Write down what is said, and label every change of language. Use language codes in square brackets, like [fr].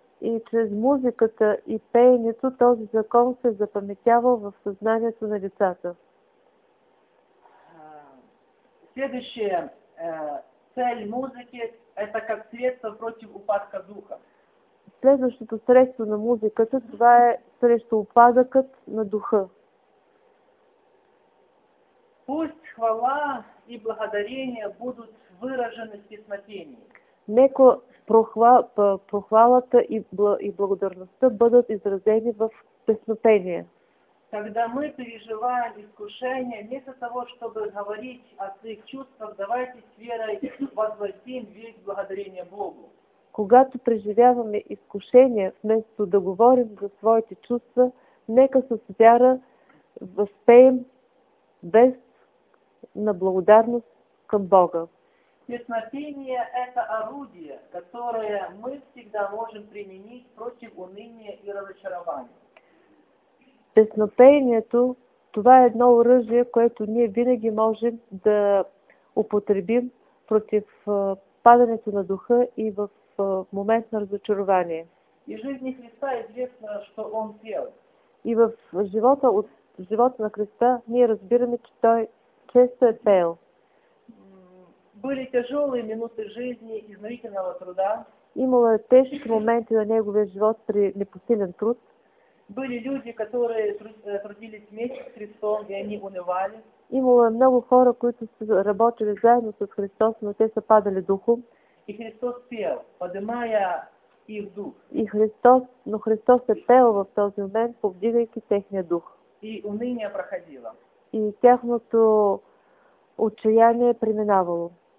[bg] и чрез музиката и пеенето този закон се запаметява в съзнанието на децата. [ru] Следващия цель музыки – это как средство против упадка духа. [bg] Следващото средство на музиката, това е срещу упадъкът на духа. [ru] Пусть хвала и благодарение будут выражены в песнопении. [bg] Нека прохвалата и благодарността бъдат изразени в песнопение. [ru] Когда мы переживаем искушение, вместо того, чтобы говорить о своих чувствах, давайте с верой возвратим весь благодарение Богу. [bg] Когато преживяваме изкушение, вместо да говорим за своите чувства, нека с вяра възпеем без на благодарност към Бога. [ru] Песнопение – это орудие, которое мы всегда можем применить против уныния и разочарования. [bg] Песнопението – това е едно оръжие, което ние винаги можем да употребим против падането на духа и в момент на разочарование. [ru] И жизни Христа известно, что Он пел. [bg] И в живота, на Христа ние разбираме, че Той често е пел. [ru] Были тяжелые минуты жизни изнурительного труда. [bg] Имало е тежки моменти на неговия живот при непосилен труд. [ru] Были люди, которые трудились вместе с Христом, и они унывали. [bg] Имало е много хора, които са работили заедно с Христос, но те са падали духом. [ru] И Христос пел, поднимая их дух. [bg] И Христос, но Христос е пел в този момент, повдигайки техния дух. [ru] И уныние проходило. [bg] И тяхното отчаяние преминавало.